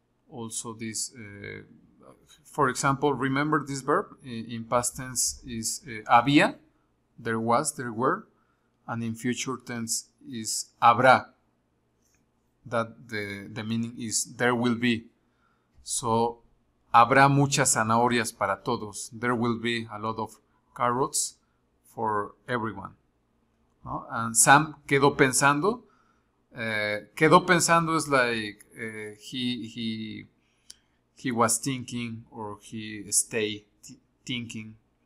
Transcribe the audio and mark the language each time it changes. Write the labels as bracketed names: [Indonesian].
[English] Also this, for example, remember this verb in past tense is había, there was, there were, and in future tense is habrá, that the meaning is there will be. [Spanish] So habrá muchas zanahorias para todos. [English] There will be a lot of carrots for everyone. ¿No? And Sam quedó pensando. [Spanish] Quedó pensando es [English] like he was thinking or he stay thinking.